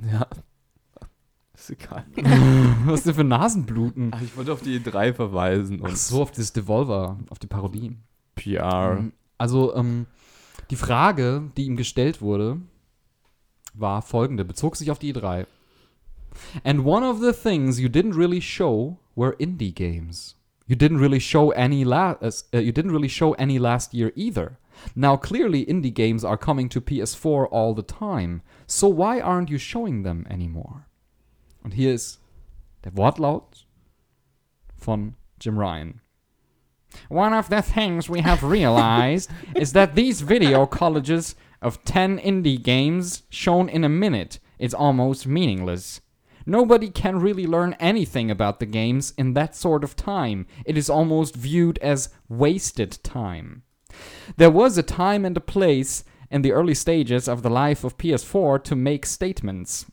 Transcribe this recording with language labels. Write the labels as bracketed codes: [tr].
[de] Ja. Ist egal. Was ist denn für Nasenbluten? Ach, ich wollte auf die E3 verweisen. Und ach so, auf dieses Devolver, auf die Parodie. PR. Also, die Frage, die ihm gestellt wurde, war folgende, bezog sich auf die E3. [en] And one of the things you didn't really show were indie games. You didn't really show any last year either. Now clearly indie games are coming to PS4 all the time. So why aren't you showing them anymore? [de] Und hier ist der Wortlaut von Jim Ryan. [en] One of the things we have realized is that these video colleges of 10 indie games shown in a minute is almost meaningless. Nobody can really learn anything about the games in that sort of time. It is almost viewed as wasted time. There was a time and a place in the early stages of the life of PS4 to make statements.